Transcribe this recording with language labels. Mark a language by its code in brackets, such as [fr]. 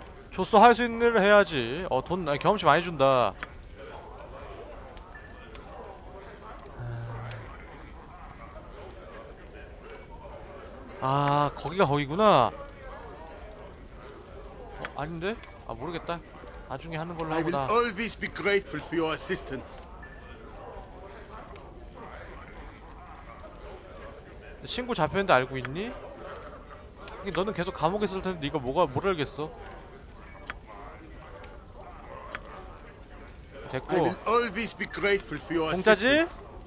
[ko] 조수 할 수 있는 일을 해야지. 어, 돈 아니, 경험치 많이 준다. 아, 거기가 거기구나. 어, 아닌데? 아, 모르겠다. 나중에 하는 걸로 하고 나. [en] I will always be grateful for your assistance. [ko] 친구 잡혔는데 알고 있니? 이게 너는 계속 감옥에 있을 텐데 네가 뭐가 뭘 알겠어? 됐고. [en] I will always be grateful for your [ko] 공짜지? [en] assistance.